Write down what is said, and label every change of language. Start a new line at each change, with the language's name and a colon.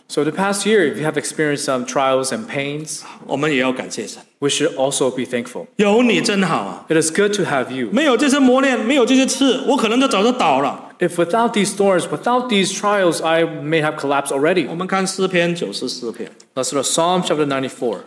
English: So the past year, if you have experienced some trials and pains,
Chinese: 我们也要感谢神。
English: We should also be thankful.
Chinese: 有你真好啊。
English: It is good to have you.
Chinese: 没有这些磨练,没有这些刺,我可能就早就倒了。
English: If without these thorns, without these trials, I may have collapsed already.
Chinese: 我们看诗篇94篇。
English: That's the Psalm chapter 94.